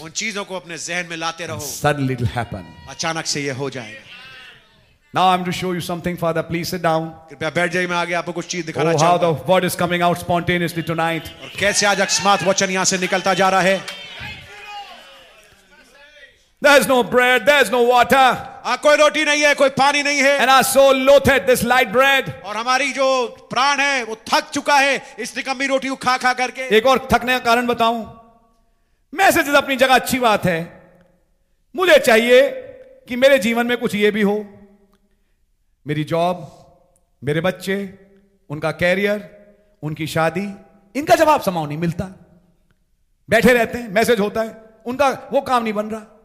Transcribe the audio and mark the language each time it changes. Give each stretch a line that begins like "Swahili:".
Hindi: उन चीजों को अपने जहन में लाते रहो,
English: suddenly it happen,
Hindi: अचानक से ये हो जाएगा।
English: now I am to show you something father, please sit down,
Hindi: कृपया बैठ जाइए, मैं आगे आपको कुछ चीज दिखाना चाहूंगा।
English: how the word is coming out spontaneously tonight,
Hindi: और कैसे आज अकस्मात वचन यहां से निकलता जा रहा है।
English: There's no bread, there's no water.
Hindi: कोई रोटी नहीं है, कोई पानी नहीं है.
English: And our soul loathed this light bread.
Hindi: और हमारी जो प्राण है वो थक चुका है इस निकम्मी रोटी को खा खा करके. एक और थकने का कारण बताऊं, मैसेजेस अपनी जगह अच्छी बात है, मुझे चाहिए कि मेरे जीवन में कुछ ये भी हो, मेरी जॉब, मेरे बच्चे, उनका कैरियर, उनकी शादी, इनका जवाब समाओ नहीं मिलता, बैठे रहते हैं, मैसेज होता है, उनका वो काम नहीं बन रहा।